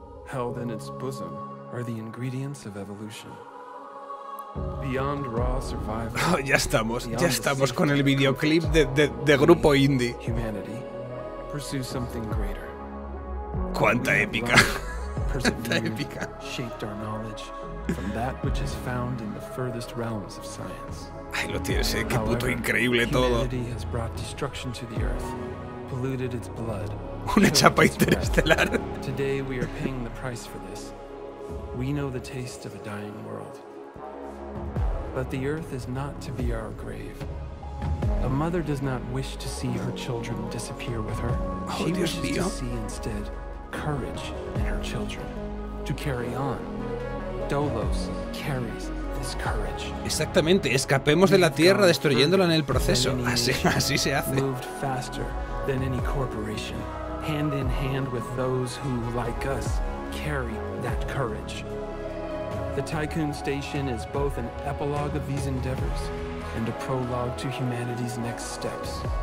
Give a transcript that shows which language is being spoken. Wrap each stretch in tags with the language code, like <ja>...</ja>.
<en>Held in its bosom are the ingredients of evolution. Beyond raw survival.</en> <es>Oh, ya estamos con el videoclip de grupo indie.</es> <en>Humanity pursues something greater.</en> <es>¡Cuánta épica! ¡Cuánta épica!</es> <en>Shaped our knowledge from that which is found in the furthest realms of science.</en> <es>Ay, lo tienes, qué puto increíble todo.</es> <en>Humanity has brought destruction to the earth, polluted its blood.</en> <es>Una chapa interestelar.</es> <en>Today we are paying the price for this. We know the taste of a dying world. But the earth is not to be our grave. A mother does not wish to see her children disappear with her. Oh, she</en> <es>Dios</es> <en>wishes</en> <es>mío.</es> <en>To see instead courage in her children to carry on. Dolos carries this courage.</en> <es>Exactamente, escapemos de la Tierra destruyéndola en el proceso. Así se hace.</es> <en>Moved faster than any corporation, hand in hand with those who, like us, carry that courage. The Tycoon Station is both an epilogue of these endeavors and a prologue to humanity's next steps.</en>